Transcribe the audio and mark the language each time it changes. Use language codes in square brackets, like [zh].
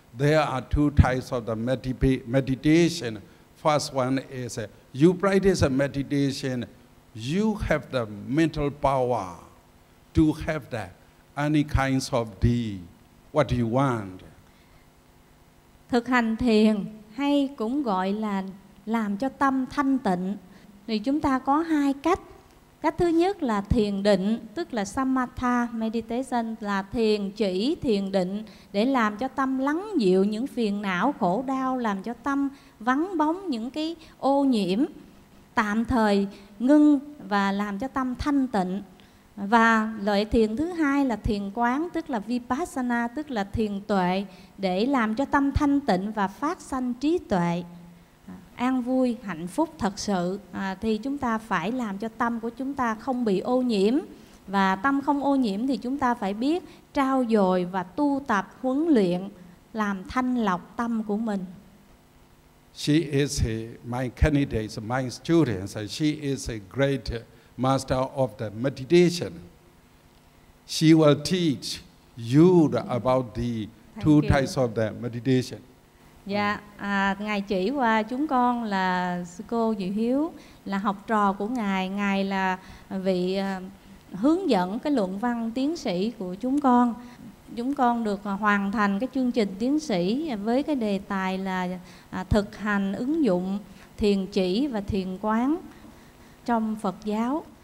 [en] There are two types of the meditation. First one is you practice a meditation, you have the mental power to have that any kinds of the what you want. [vi] Thực hành thiền hay cũng gọi là làm cho tâm thanh tịnh thì chúng ta có hai cách. Cách thứ nhất là thiền định, tức là samatha meditation, là thiền chỉ, thiền định để làm cho tâm lắng dịu những phiền não, khổ đau, làm cho tâm vắng bóng những cái ô nhiễm, tạm thời ngưng và làm cho tâm thanh tịnh. Và loại thiền thứ hai là thiền quán, tức là vipassana, tức là thiền tuệ, để làm cho tâm thanh tịnh và phát sanh trí tuệ, an vui, hạnh phúc thật sự. Thì chúng ta phải làm cho tâm của chúng ta không bị ô nhiễm. Và tâm không ô nhiễm thì chúng ta phải biết trau dồi và tu tập, huấn luyện, làm thanh lọc tâm của mình. [en] She is my candidate, my student. She is a great master of the meditation. She will teach you about the two types of the meditation. [vi] Dạ, Ngài chỉ qua chúng con là sư cô Diệu Hiếu, là học trò của Ngài. Ngài là vị hướng dẫn cái luận văn tiến sĩ của chúng con. Chúng con được hoàn thành cái chương trình tiến sĩ với cái đề tài là thực hành ứng dụng thiền chỉ và thiền quán trong Phật giáo.